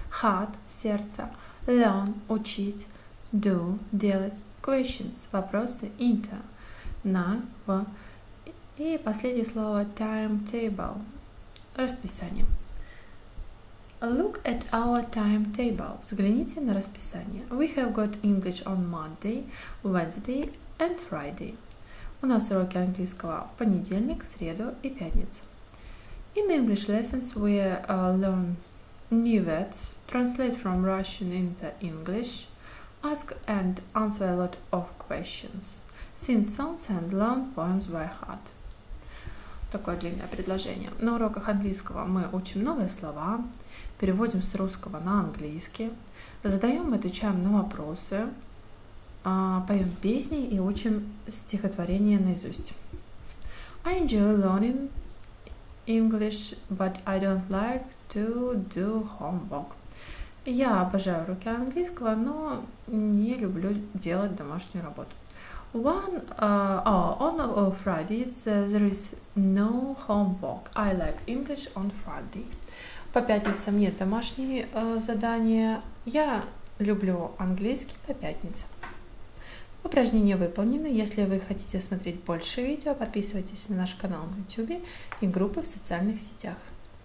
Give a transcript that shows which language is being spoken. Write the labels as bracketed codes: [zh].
[en] Heart, [ru] сердце. [en] Learn, [ru] учить. [en] Do, [ru] делать. [en] Questions, [ru] вопросы. [en] Inter, [ru] на, в. И последнее слово. [en] Timetable, [ru] расписание. [en] Look at our timetable. [ru] Взгляните на расписание. [en] We have got English on Monday, Wednesday and Friday. [ru] У нас уроки английского в понедельник, среду и пятницу. [en] In English lessons we learn new words, translate from Russian into English, ask and answer a lot of questions, sing songs and learn poems by heart. [ru] Такое длинное предложение. На уроках английского мы учим новые слова, переводим с русского на английский, задаем и отвечаем на вопросы, поем песни и учим стихотворение наизусть. [en] I enjoy learning English, but I don't like to do homework. [ru] Я обожаю уроки английского, но не люблю делать домашнюю работу. [en] On Fridays there is no homework. I like English on Friday. [ru] По пятницам нет домашних заданий. Я люблю английский по пятницам. Упражнения выполнены. Если вы хотите смотреть больше видео, подписывайтесь на наш канал на YouTube и группы в социальных сетях.